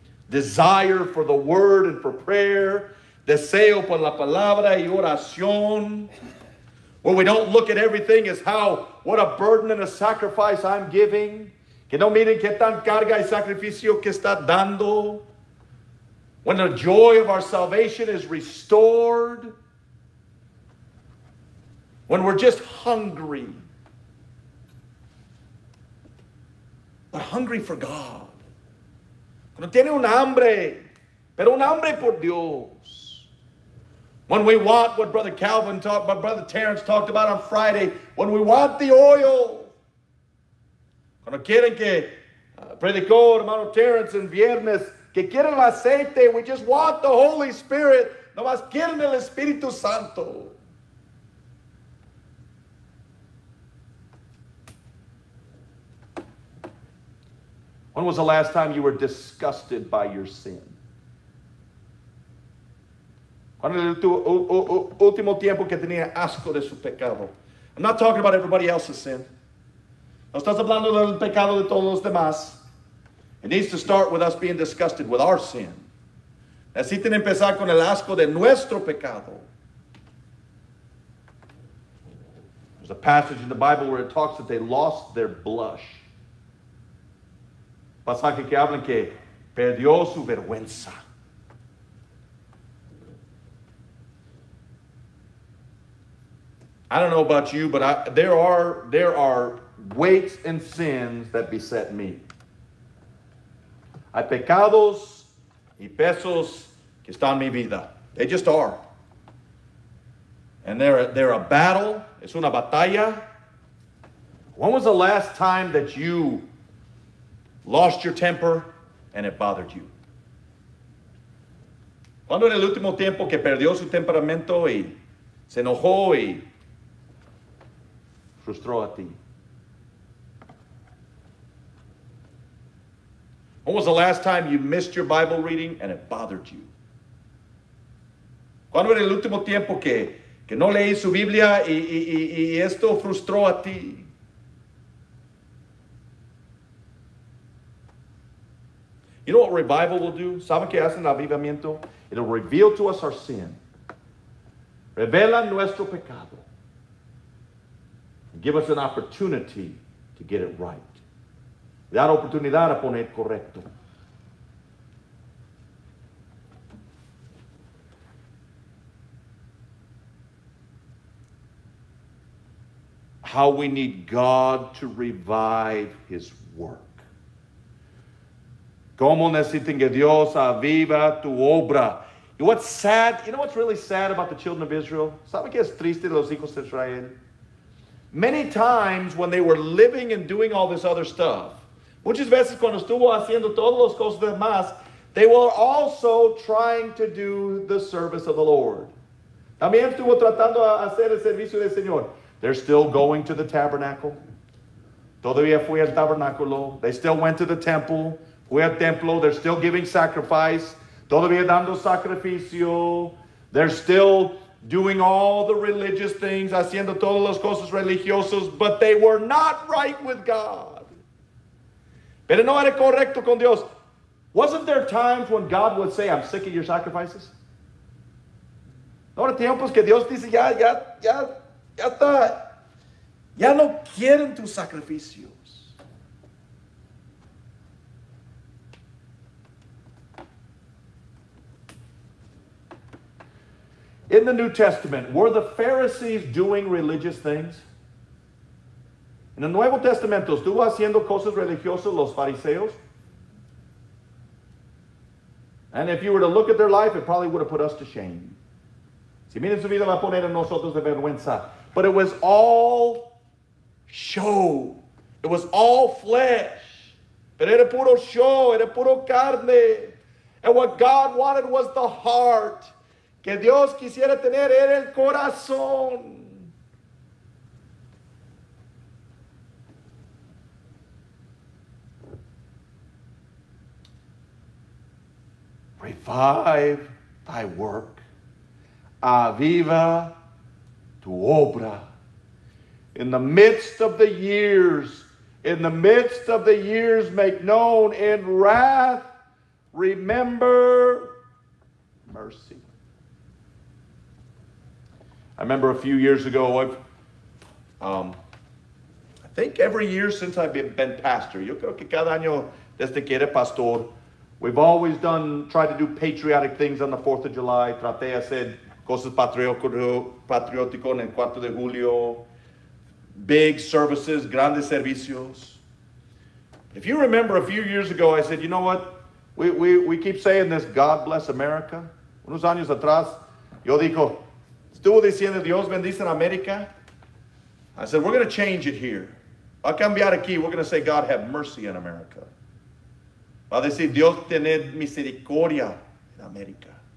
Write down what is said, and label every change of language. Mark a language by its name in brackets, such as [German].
[English] Desire for the word and for prayer. [Spanish] Deseo por la palabra y oración. [English] Where we don't look at everything as how, what a burden and a sacrifice I'm giving. [Spanish] Que no miren qué tan carga y sacrificio que está dando. [English] When the joy of our salvation is restored. When we're just hungry. But hungry for God. [Spanish] Cuando tiene un hambre, pero un hambre por Dios. [English] When we want what Brother Calvin talked, what Brother Terrence talked about on Friday. When we want the oil. [Spanish] Cuando quieren que predicó hermano Terrence en viernes, que quieren el aceite. [English] We just want the Holy Spirit. [Spanish] Nomás quieren el Espíritu Santo. [English] When was the last time you were disgusted by your sin? [Spanish] ¿Cuándo fue tu último tiempo que tenía asco de su pecado? [English] I'm not talking about everybody else's sin. [Spanish] No estás hablando del pecado de todos los demás. [English] It needs to start with us being disgusted with our sin. [Spanish] Necesitan empezar con el asco de nuestro pecado. [English] There's a passage in the Bible where it talks that they lost their blush. [Spanish] Pasaje que hablan que perdió su vergüenza. [English] I don't know about you, but there are weights and sins that beset me. [Spanish] Hay pecados y pesos que están mi vida. [English] They just are. And they're a battle. [Spanish] Es una batalla. [English] When was the last time that you lost your temper, and it bothered you? [Spanish] ¿Cuándo en el último tiempo que perdió su temperamento y se enojó y frustró a ti? [English] When was the last time you missed your Bible reading and it bothered you? [Spanish] ¿Cuándo en el último tiempo que no leí su Biblia y esto frustró a ti? [English] You know what revival will do? [Spanish] ¿Saben qué hace el avivamiento? [English] It'll reveal to us our sin. [Spanish] Revela nuestro pecado. [English] And give us an opportunity to get it right. [Spanish] dar oportunidad a poner correcto. [English] How we need God to revive his work. [Spanish] ¿Cómo necesitan que Dios aviva tu obra? [English] What's sad, you know what's really sad about the children of Israel? [Spanish] ¿Sabe qué es triste de los hijos de Israel? [English] Many times when they were living and doing all this other stuff, [Spanish] muchas veces cuando estuvo haciendo todas las cosas demás, [English] they were also trying to do the service of the Lord. [Spanish] También estuvo tratando de hacer el servicio del Señor. [English] They're still going to the tabernacle. [Spanish] Todavía fui al tabernáculo. [English] They still went to the temple. [Spanish] Fui al templo. [English] They're still giving sacrifice. [Spanish] Todavía dando sacrificio. [English] They're still doing all the religious things, [Spanish] haciendo todas las cosas religiosas, [English] but they were not right with God. [Spanish] Pero no era correcto con Dios. [English] Wasn't there times when God would say, I'm sick of your sacrifices? [Spanish] No era tiempos que Dios dice, ya no quieren tus sacrificios. [English] In the New Testament, were the Pharisees doing religious things? [Spanish] En el Nuevo Testamento, ¿estuvo haciendo cosas religiosas los fariseos? [English] And if you were to look at their life, it probably would have put us to shame. [Spanish] Si miren su vida, va a poner a nosotros de vergüenza. [English] But it was all show. It was all flesh. [Spanish] Pero era puro show, era puro carne. [English] And what God wanted was the heart. [Spanish] Que Dios quisiera tener era el corazón. [English] Revive thy work. [Spanish] Aviva tu obra. [English] In the midst of the years, in the midst of the years, make known in wrath, remember mercy. I remember a few years ago, I think every year since I've been pastor, [Spanish] yo creo que cada año desde que era pastor, [English] we've always tried to do patriotic things on the 4th of July. [Spanish] Traté de hacer cosas patrióticos en el 4 de julio. [English] Big services, [Spanish] grandes servicios. [English] If you remember a few years ago, I said, you know what? We keep saying this, God bless America. [Spanish] Unos años atrás, yo dijo, estuvo diciendo Dios bendice en América. [English] I said, we're going to change it here. [Spanish] Va a cambiar aquí. [English] We're going to say, God have mercy in America. [Spanish] Va a decir, Dios tener misericordia en América.